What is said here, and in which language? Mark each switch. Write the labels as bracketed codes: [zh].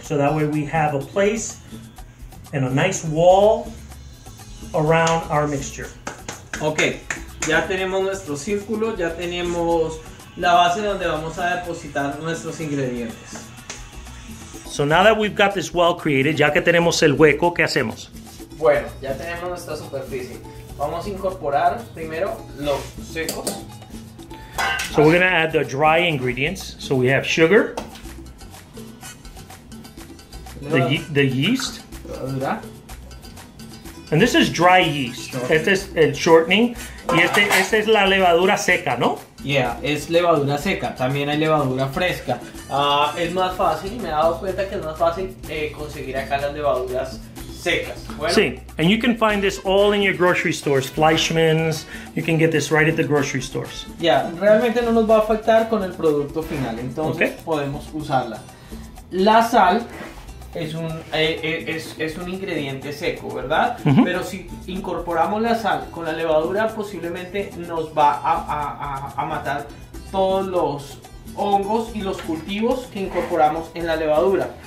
[en] So that way we have a place and a nice wall around our mixture. [es] Okay, ya tenemos nuestro círculo, ya tenemos la base donde vamos a depositar nuestros ingredientes. [en] So now that we've got this well created, [es] ya que tenemos el hueco, ¿qué hacemos? Bueno, ya tenemos nuestra superficie. Vamos a incorporar primero los secos. [en] So we're gonna add the dry ingredients. So we have sugar, the yeast. And this is dry yeast. [es] Este es el shortening. Y este es la levadura seca, ¿no? Yeah, es levadura seca. También hay levadura fresca. Es más fácil, y me he dado cuenta que es más fácil conseguir acá las levaduras secas. Bueno. [en] Sí, and you can find this all in your grocery stores. Fleischmann's, you can get this right at the grocery stores. [es] Yeah, realmente no nos va a afectar con el producto final. Entonces, okay, podemos usarla. La sal es un ingrediente seco, ¿verdad? Uh-huh. Pero si incorporamos la sal con la levadura, posiblemente nos va a matar todos los hongos y los cultivos que incorporamos en la levadura.